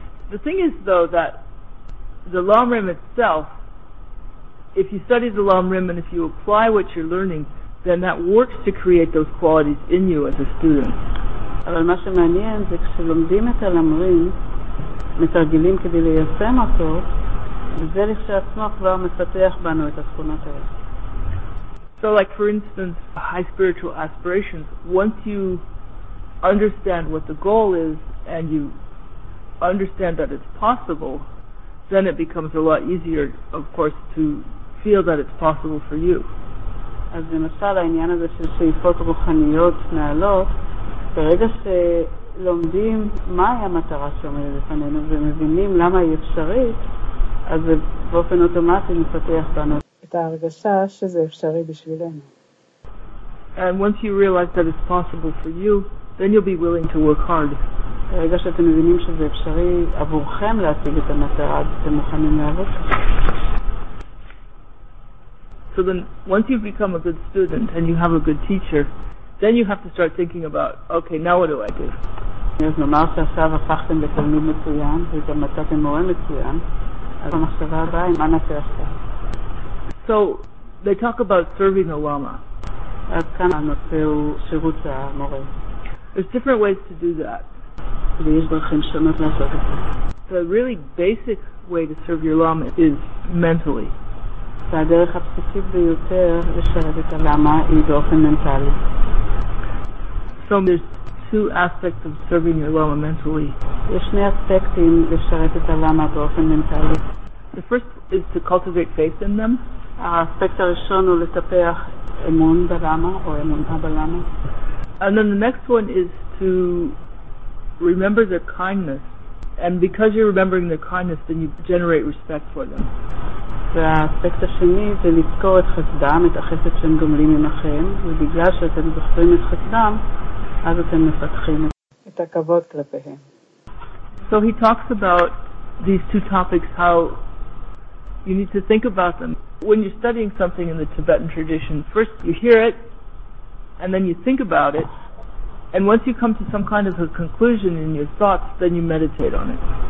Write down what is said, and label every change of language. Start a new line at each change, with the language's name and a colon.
English: The thing is, though, that the Lamrim itself, if you study the Lamrim and if you apply what you're learning, then that works to create those qualities in you as a student.
Hebrew: אבל מה שמעניין זה כשלומדים את הלמרים, מתרגלים כדי ליישם אותו, זה לכשעצמו כבר מפתח בנו את התכונות האלה.
English: So like, for instance, high spiritual aspirations, once you understand what the goal is and you understand that it's possible, then it becomes a lot easier, of course, to feel that it's possible for you.
Hebrew: אז למשל, העניין הזה של שאיפות רוחניות נעלות, ברגע שלומדים מהי המטרה שעומדת לפנינו ומבינים למה היא אפשרית, אז זה באופן אוטומטי מפתח בנו את ההרגשה שזה אפשרי בשבילנו.
English: And once you realize that it's possible for you, then you'll be willing to work hard.
Hebrew: ברגע שאתם מבינים שזה אפשרי עבורכם להשיג את המטרה, אתם מוכנים לעבוד.
English: So then, once you've become a good student and you have a good teacher, then you have to start thinking about, okay, now what do I do?
Hebrew: אז נאמר שעכשיו הפכתם לתלמיד מצוין וגם מצאתם מורה מצוין, אז המחשבה הבאה היא מה נעשה עכשיו.
English: So they talk about serving the Lama.
Hebrew: אז כאן הנושא הוא שירות המורה.
English: There's different ways to do that.
Hebrew: ויש דרכים שונות לעשות את זה.
English: The really basic way to serve your Lama is mentally.
Hebrew: והדרך הבסיסית ביותר לשרת את הלמה היא באופן מנטלי.
English: So there's 2 aspects of serving your Lama mentally.
Hebrew: יש 2 אספקטים לשרת את הלמה באופן מנטלי.
English: The first is to cultivate faith in them.
Hebrew: האספקט הראשון הוא לטפח אמון בלמה או אמונה בלמה.
English: And then the next one is to remember their kindness. And because you're remembering their kindness, then you generate respect for them.
Hebrew: והאספקט השני זה לזכור את חסדם, את החסד שהם גומלים ממכם, ובגלל שאתם זוכרים את חסדם, אז אתם מפתחים את הכבוד כלפיהם.
English: So he talks about these 2 topics, how you need to think about them. When you're studying something in the Tibetan tradition, first you hear it, and then you think about it, And once you come to some kind of a conclusion in your thoughts, then you meditate on it.